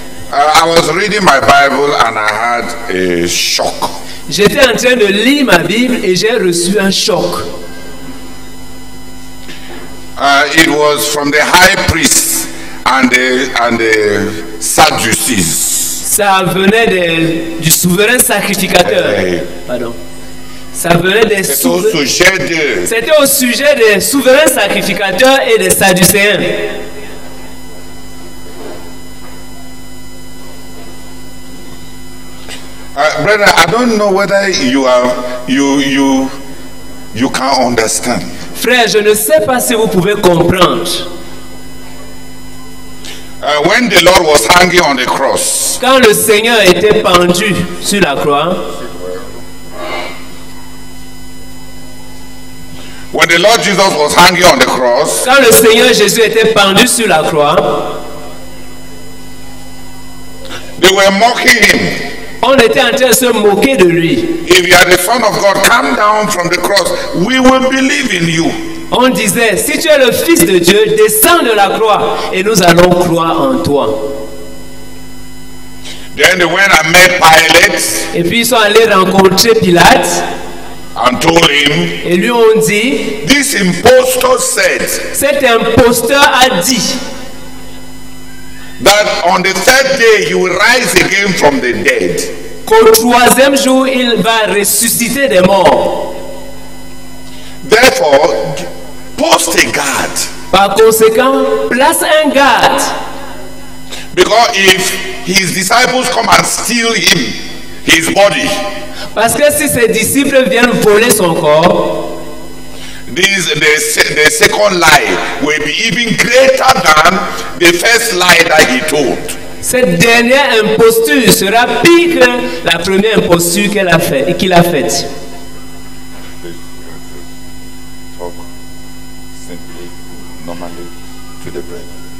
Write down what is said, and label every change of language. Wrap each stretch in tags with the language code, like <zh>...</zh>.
<en>I was reading my Bible and I had a shock.</en> <fr>J'étais en train de lire ma Bible et j'ai reçu un choc.</fr> <en>It was from the high priest and the Sadducees.</en> <fr>Ça venait du souverain sacrificateur. Pardon. Ça venait des C'était au sujet des souverains sacrificateurs et des Sadducéens.</fr> <en>Brother, I don't know whether you can understand.</en> <fr>Frère, je ne sais pas si vous pouvez comprendre.</fr> <en>When the Lord was hanging on the cross.</en> <fr>Quand le Seigneur était pendu sur la croix.</fr> <en>When the Lord Jesus was hanging on the cross.</en> <fr>Quand le Seigneur Jésus était pendu sur la croix.</fr> <en>They were mocking him.</en> <fr>On était en train de se moquer de lui.</fr> <en>If you are the son of God, come down from the cross. We will believe in you.</en> <fr>On disait, si tu es le fils de Dieu, descends de la croix et nous allons croire en toi.</fr> <en>Then they went and met Pilate.</en> <fr>Et puis ils sont allés rencontrer Pilate.</fr> <en>And told him.</en> <fr>Et lui ont dit.</fr> <en>This imposter said.</en> <fr>Cet imposteur a dit.</fr> <en>That on the third day he will rise again from the dead.</en> <fr>Qu'au troisième jour il va ressusciter des morts.</fr> <en>Therefore, post a guard.</en> <fr>Par conséquent, place un garde.</fr> <en>Because if his disciples come and steal him, his body.</en> <fr>Parce que si ses disciples viennent voler son corps.</fr> <en>The second lie will be even greater than the first lie that he told.</en> <fr>Cette dernière imposture sera pire que la première imposture qu'elle a fait et qu'il a faite.</fr> <en>Talk simply, normally to the brethren.</en>